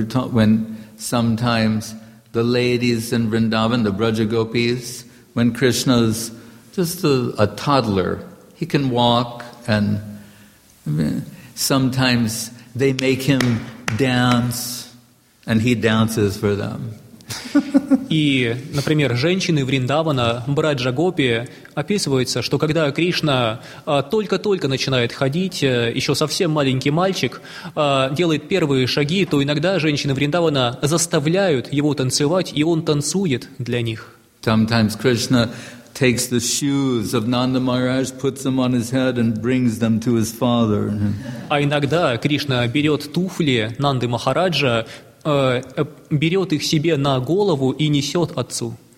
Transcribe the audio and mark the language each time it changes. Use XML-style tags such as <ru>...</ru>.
<en>When sometimes the ladies in Vrindavan, the Brajagopis, when Krishna's just a toddler, he can walk, and sometimes they make him dance, and he dances for them.</en> <ru>И, например, женщины Вриндавана, Браджа Гопи, описывается, что когда Кришна только-только начинает ходить, еще совсем маленький мальчик, делает первые шаги, то иногда женщины Вриндавана заставляют его танцевать, и он танцует для них.</ru> <en>Sometimes Krishna takes the shoes of Nanda Maharaj, puts them on his head, and brings them to his father.</en> <ru>А иногда Кришна берет туфли Нанды Махараджа, берет их себе на голову и несет отцу.</ru>